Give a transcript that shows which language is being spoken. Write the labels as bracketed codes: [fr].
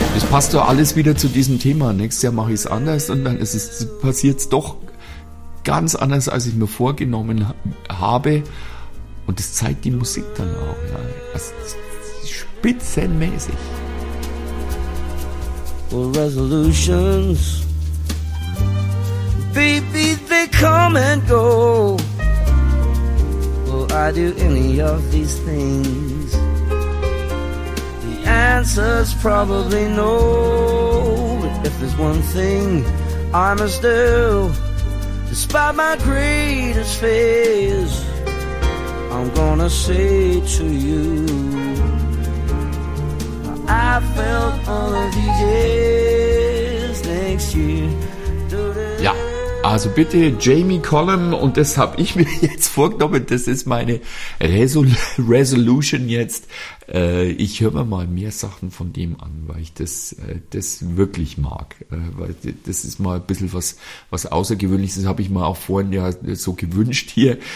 [de] Passt doch alles wieder zu diesem Thema. Nächstes Jahr mache ich es anders und dann passiert es doch ganz anders, als ich mir vorgenommen habe. Und das zeigt die Musik dann auch. Ja. Also, spitzenmäßig. [en] Well, resolutions, baby, they come and go. Will I do any of these things? Answer's probably no. But if there's one thing I must do, despite my greatest fears, I'm gonna say to you, I felt all of these years next year. [de] Ja, also bitte Jamie Collum, und das habe ich mir jetzt vorgenommen, das ist meine Resolution jetzt. Ich höre mir mal mehr Sachen von dem an, weil ich das wirklich mag. Weil das ist mal ein bisschen was Außergewöhnliches, habe ich mir auch vorhin ja so gewünscht hier.